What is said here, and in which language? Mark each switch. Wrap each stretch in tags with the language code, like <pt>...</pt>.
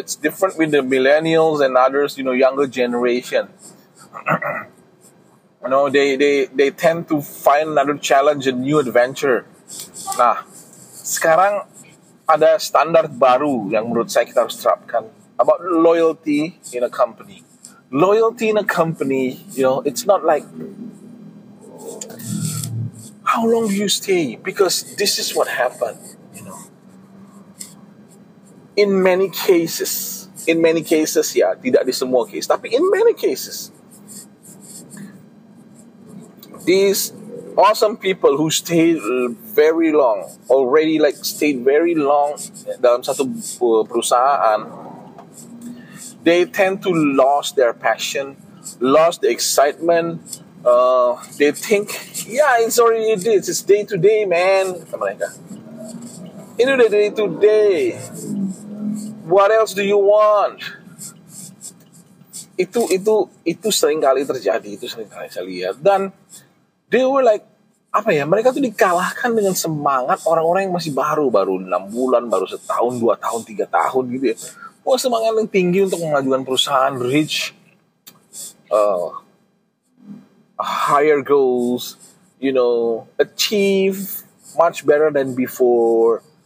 <en>It's different with the millennials and others, you know, younger generation. You know, they tend to find another challenge, a new adventure.</en> <id>Nah, sekarang ada standar baru yang menurut saya kita harus terapkan</id> <en>about loyalty in a company. Loyalty in a company, you know, it's not like how long do you stay? Because this is what happened, you know. In many cases,</en> <id>ya, tidak di semua case,</id> <en>tapi in many cases, these awesome people who stayed very long, already like stayed very long</en> <id>dalam satu perusahaan,</id> <en>they tend to lose their passion, lose the excitement. They think, yeah, it's already this. It's day to day, man.</en> <id>Mereka,</id> <en>into the day to day. What else do you want?</en> <id>Itu seringkali terjadi. Itu seringkali saya lihat. Dan</id> <en>they were like,</en> <id>apa ya? Mereka tuh dikalahkan dengan semangat orang-orang yang masih baru 6 bulan, baru setahun, 2 tahun, 3 tahun gitu ya. Wah, semangat yang tinggi untuk mengajukan perusahaan,</id> <en>reach higher goals, you know, achieve much better than before.</en>